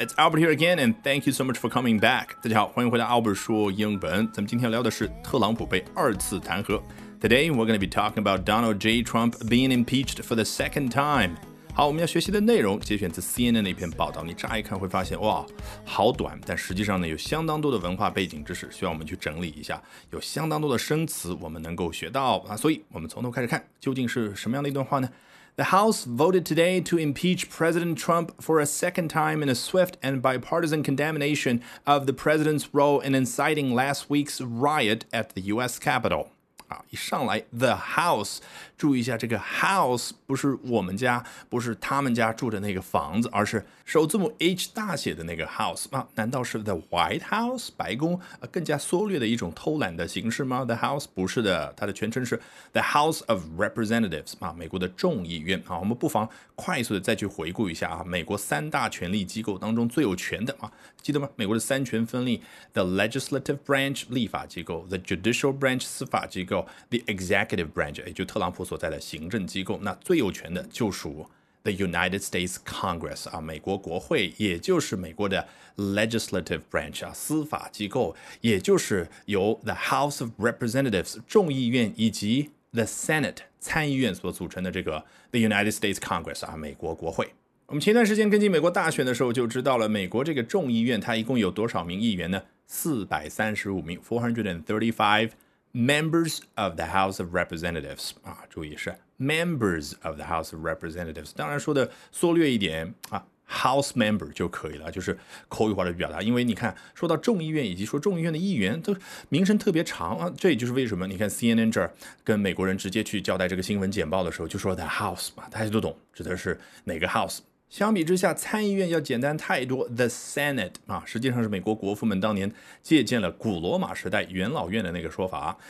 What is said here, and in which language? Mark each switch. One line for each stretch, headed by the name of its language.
English: It's Albert here again, and thank you so much for coming back.
Chinese: 大家好，欢迎回到 Albert 说英文。咱们今天聊的是特朗普被二次弹劾。
English: Today, we're going to be talking about Donald J. Trump being impeached for the second time.
Chinese: 好，我们要学习的内容节选自 CNN 的一篇报道。你乍一看会发现，哇，好短，但实际上呢，有相当多的文化背景知识需要我们去整理一下，有相当多的生词我们能够学到啊。所以，我们从头开始看，究竟是什么样的一段话呢？
English: The House voted today to impeach President Trump for a second time in a swift and bipartisan condemnation of the president's role in inciting last week's riot at the U.S. Capitol.
Chinese: 一上来 the House, 注意一下这个 House 不是我们家，不是他们家住的那个房子，而是首字母 H 大写的那个 House。难道是 the White House, 白宫，更加缩略的一种偷懒的形式吗？ The House 不是的，它的全称是 the House of Representatives, 美国的众议院。我们不妨快速的再去回顾一下美国三大权力机构当中最有权的。记得吗？美国的三权分立 the Legislative Branch, 立法机构 the Judicial Branch, 司法机构The executive branch, 也就特朗普所在的行政机构，那最有权的就属 The United States Congress, 美国国会，也就是美国的 legislative branch, 司法机构，也就是由 The House of Representatives, 众议院，以及 The Senate, 参议院所组成的这个 The United States Congress, 美国国会。我们前段时间根据美国大选的时候就知道了，美国这个众议院它一共有多少名议员呢？ 435名 ,435Members of the House of Representatives, 注意是 Members of the House of Representatives, 当然说的缩略一点House Member 就可以了，就是口语化的表达。因为你看说到众议院以及说众议院的议员都名声特别长这也就是为什么你看 CNN 这儿跟美国人直接去交代这个新闻简报的时候就说 The House, 大家都懂指的是哪个 House。相比之下参议院要简单太多 The Senate, 实际上是美国国父们当年借鉴了古罗马时代元老院的那个说法。